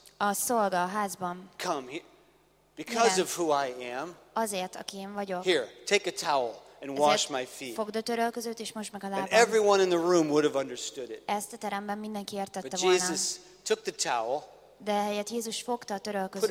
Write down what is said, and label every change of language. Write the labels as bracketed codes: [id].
[hu] A szolga a házban. [en] Come here. Because yeah. Of who I am. [hu] Azért, aki én vagyok. [en] Here, take a towel. And wash my feet. [hu] Fogd a törölközőt és mosd meg a lábam. [en] And everyone in the room would have understood it. [hu] Ezt a teremben mindenki értette volna. [en] But Jesus took the towel. [hu] De helyett Jézus fogta a törölközőt.